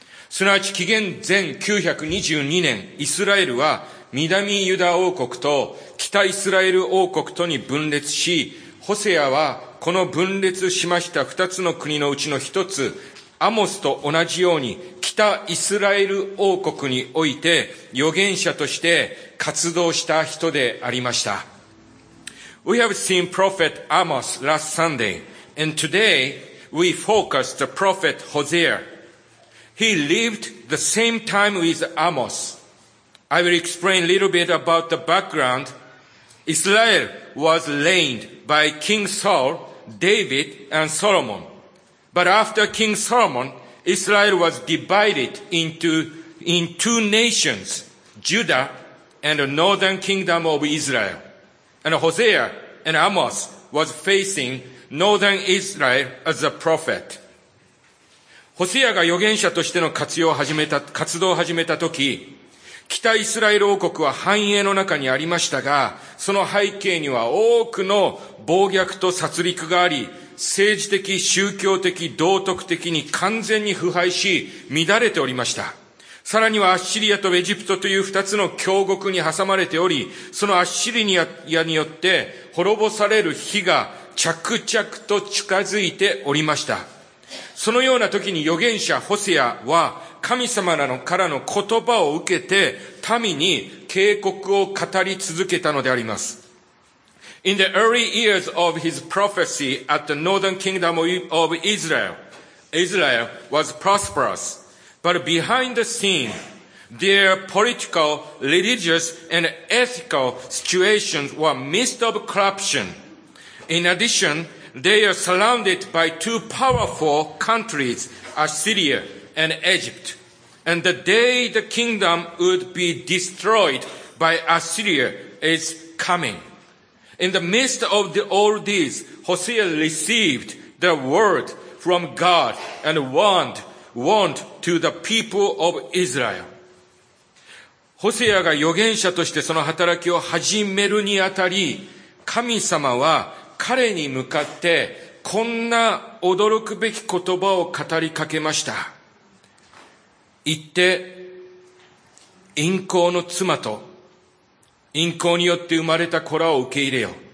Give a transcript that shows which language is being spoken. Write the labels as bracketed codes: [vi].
[ja] すなわち紀元前922年、イスラエルは南ユダ王国と北イスラエル王国とに分裂し、ホセアはこの分裂しました二つの国のうちの一つ、アモスと同じように北イスラエル王国において預言者として活動した人でありました。 [en] We have seen Prophet Amos last Sunday, and today we focus the Prophet Hosea. He lived the same time with Amos. I will explain a little bit about the background. Israel was reigned by King Saul, David, and Solomon. But after King Solomon, Israel was divided in two nations, Judah and the northern kingdom of Israel. And Hosea and Amos was facing northern Israel as a prophet. [ja] ホセアが預言者としての活動を始めたとき、北イスラエル王国は繁栄の中にありましたが、その背景には多くの暴虐と殺戮があり、政治的、宗教的、道徳的に完全に腐敗し、乱れておりました。さらにはアッシリアとエジプトという二つの強国に挟まれており、そのアッシリアによって滅ぼされる日が着々と近づいておりました。そのような時に預言者ホセアは、神様からの言葉を受けて民に警告を語り続けたのであります。 [en] In the early years of his prophecy at the northern kingdom of Israel, Israel was prosperous. But behind the scene, their political, religious and ethical situations were mist of corruption. In addition, they are surrounded by two powerful countries, Assyria and Egypt. And the day the kingdom would be destroyed by Assyria is coming. In the midst of all this, Hosea received the word from God and warned to the people of Israel. [ja] ホセアが預言者としてその働きを始めるにあたり、神様は彼に向かってこんな驚くべき言葉を語りかけました。言って、淫行の妻と淫行によって生まれた子らを受け入れよ。